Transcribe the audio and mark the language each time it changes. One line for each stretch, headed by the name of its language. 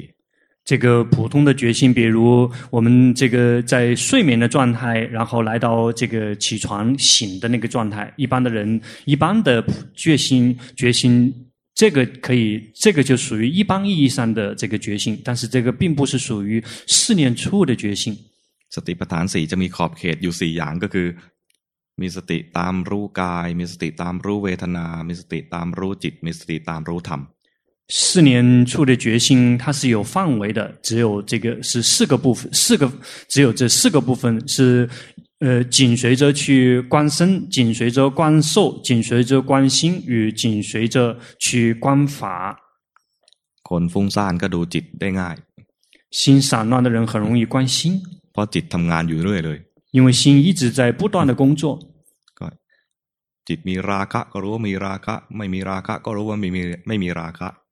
Chinese: 这个普通的觉性比如我们这个在睡眠的状态然后来到这个起床醒的那个状态一般的人一般的觉性这个可以这个就属于一般意义上的这个觉性但是这个并不是属于四念处的觉性
Thai: สติปัฏฐานสี่จะมีขอบเขตอยู่สี่อย่างก็คือมีสติตามรู้กายมีสติตามรู้เวทนามีสติตามรู้จิตมีสติตามรู้ธรรม
Chinese: 四念处的觉性它是有范围的只有这个是四个部分四个只有这四个部分是紧随着去观身紧随着观受紧随着观心与紧随着去观法
Thai: คนฟุ้งซ่านก็ดูจิตได้ง่าย
Chinese: 心散乱的人很容易观心
Thai: เพราะจิตทำงานอยู่เรื่อยเลย
Chinese: 因为心一直在不断的工作
Thai: จิตมีราคะก็รู้ว่ามีราคะไม่มีราคะก็รู้ว่าไม่มีราคะ